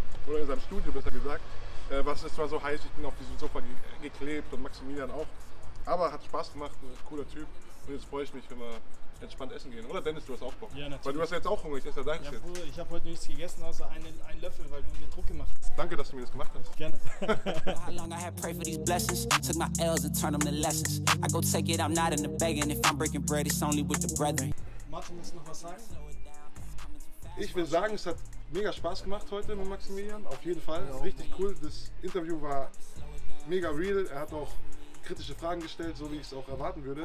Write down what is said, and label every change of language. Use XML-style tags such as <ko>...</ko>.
<de>Oder in seinem Studio, besser gesagt. Was ist zwar so heiß, ich bin auf diesem Sofa geklebt und Maximilian auch. Aber hat Spaß gemacht, ein cooler Typ. Und jetzt freue ich mich, wenn wir entspannt essen gehen. Oder Dennis, du hast auch Bock. Ja, natürlich. Weil du hast ja jetzt auch Hunger, ich esse ja deins jetzt. Ja, Bruder, ich habe heute nichts gegessen, außer einen Löffel, weil du mir Druck gemacht hast. Danke, dass du mir das gemacht hast. Gerne.</de> <en>How long I had prayed for these blessings, took my L's and turned them to lessons. I go take it, I'm not in the begging. If I'm breaking bread, it's only with the brethren.</en> <de>Martin, musst du noch was sagen? Ich will sagen, es hat mega Spaß gemacht heute mit Maximilian, auf jeden Fall. Ja, richtig cool, das Interview war mega real. Er hat auch kritische Fragen gestellt, so wie ich es auch erwarten würde.</de>